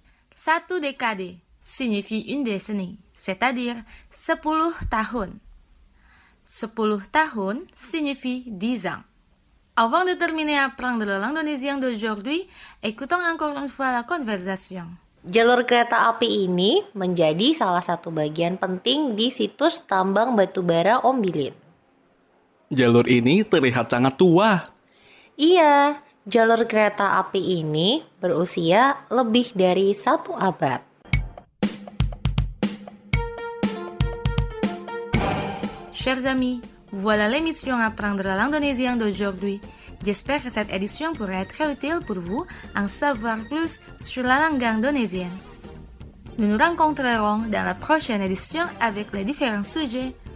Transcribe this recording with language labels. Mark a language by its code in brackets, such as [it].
[fr] Satu décade signifie une décennie, c'est-à-dire 10 tahun. 10 tahun signifie 10 ans. Avant de terminer apprendre l'indonésien d'aujourd'hui, écoutons encore une fois la conversation. [id] Jalur kereta api ini menjadi salah satu bagian penting di situs tambang batubara Ombilin. Jalur ini terlihat sangat tua. Iya, jalur kereta api ini berusia lebih dari satu abad. [fr] Chers amis, voilà l'émission Apprendre l'indonésien d'aujourd'hui. J'espère que cette édition pourrait être utile pour vous en savoir plus sur la langue indonésienne. Nous nous rencontrerons dans la prochaine édition avec les différents sujets.